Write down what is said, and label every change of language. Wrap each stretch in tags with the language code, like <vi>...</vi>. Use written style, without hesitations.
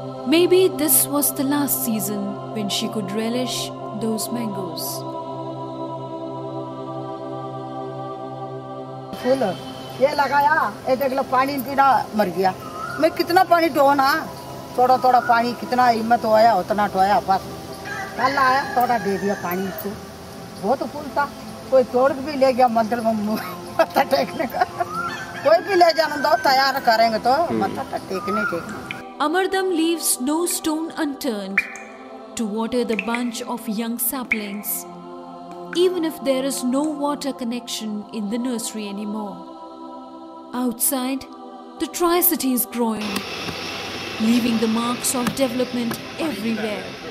<en>Maybe this was the last season when she could relish those mangoes.</en> <hi>फूल ये लगाया ये देख लो पानी पीना मर गया मैं कितना पानी ढोना थोड़ा थोड़ा पानी कितना हिम्मत हो आया उतना ढोया बस कल आया थोड़ा दे दिया पानी इसको बहुत फूल था कोई तोड़ भी ले गया मंदिर में मत्था टेकने का कोई भी ले जाना तो तैयार करेंगे तो मत्था टेकने के</hi> <en>Amardam leaves no stone unturned to water the bunch of young saplings, even if there is no water connection in the nursery anymore. Outside, the tricity is growing, leaving the marks of development everywhere.</en>